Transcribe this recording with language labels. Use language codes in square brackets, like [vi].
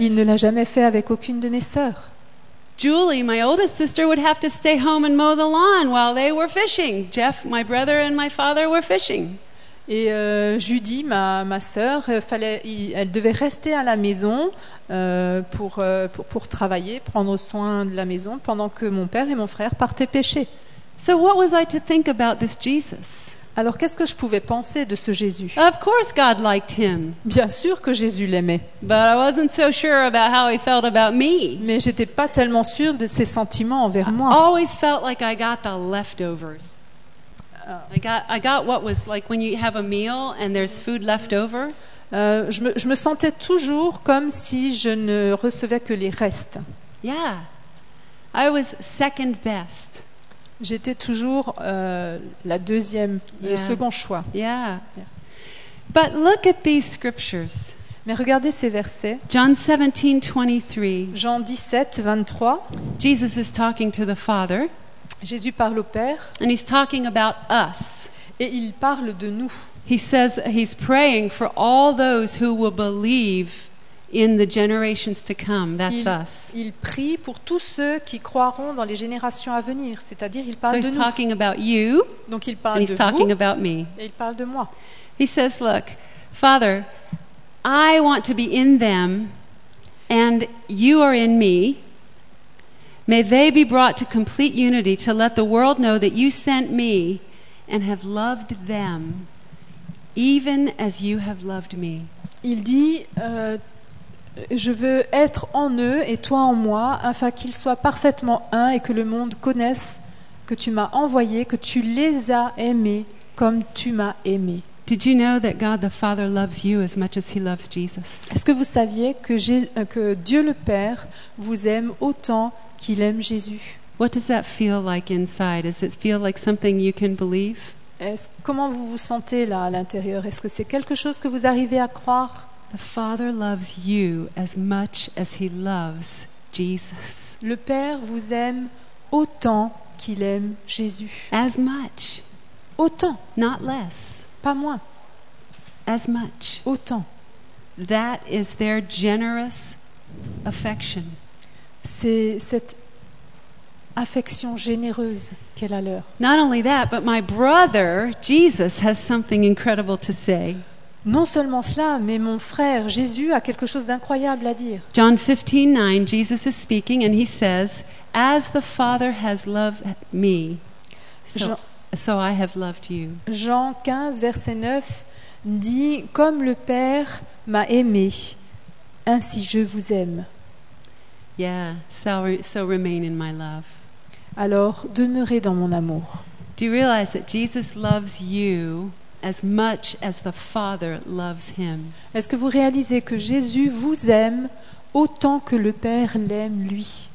[fr] Il ne l'a jamais fait avec aucune de mes sœurs. [en] Julie, my oldest sister, would have to stay home and mow the lawn while they were fishing. Jeff, my brother, and my father were fishing. [fr] Et Judy, ma sœur, elle devait rester à la maison pour travailler, prendre soin de la maison, pendant que mon père et mon frère partaient pêcher. [en] So what was I to think about this Jesus? [fr] Alors qu'est-ce que je pouvais penser de ce Jésus? [en] Of course God liked him. [fr] Bien sûr que Jésus l'aimait. [en] But I wasn't so sure about how he felt about me. [fr] Mais j'étais pas tellement sûre de ses sentiments envers moi. [en] I always felt like I got the leftovers. I got what was like when you have a meal and there's food left over. [fr] Je me sentais toujours comme si je ne recevais que les restes. [en] Yeah, I was second best. [fr] J'étais toujours la deuxième, le second choix. [en] Yeah. Yes. But look at these scriptures. [fr] Mais regardez ces versets. [en] John 17:23. [fr] Jean 17:23. [en] Jesus is talking to the Father. [fr] Jésus parle au Père. [en] And he's talking about us. [fr] Et il parle de nous. [en] He says he's praying for all those who will believe in the generations to come. That's us. [fr] Il prie pour tous ceux qui croiront dans les générations à venir. C'est-à-dire, il parle de nous. [en] So he's talking about you. [fr] Donc il parle de vous. [en] And he's talking about me. [fr] Et il parle de moi. [en] He says, look, Father, I want to be in them and you are in me. May they be brought to complete unity to let the world know that you sent me and have loved them even as you have loved me. [fr] Il dit je veux être en eux et toi en moi afin qu'ils soient parfaitement un et que le monde connaisse que tu m'as envoyé, que tu les as aimés comme tu m'as aimé. [en] Did you know that God the Father loves you as much as he loves Jesus? [fr] Est-ce que vous saviez que Dieu le Père vous aime autant qu'il aime Jésus? [en] What does that feel like inside? Does it feel like something you can believe? [fr] Comment vous vous sentez là à l'intérieur? Est-ce que c'est quelque chose que vous arrivez à croire? [en] The Father loves you as much as he loves Jesus. [fr] Le Père vous aime autant qu'il aime Jésus. [en] As much. [fr] Autant. [en] Not less. [fr] Pas moins. [en] As much. [fr] Autant. [en] That is their generous affection. [fr] C'est cette affection généreuse qu'elle a leur. [en] Not only that, but my brother Jesus has something incredible to say. [fr] Non seulement cela, mais mon frère Jésus a quelque chose d'incroyable à dire. [en] John 15:9, Jesus is speaking and he says, as the Father has loved me, so I have loved you. [fr] Jean 15 verset 9 dit, comme le Père m'a aimé, ainsi je vous aime. [en] Yeah, so remain in my love. [fr] Alors, demeurez dans mon amour. [en] Do you realize that Jesus loves you as much as the Father loves him? [fr] Est-ce que vous réalisez que Jésus vous aime autant que le Père l'aime lui?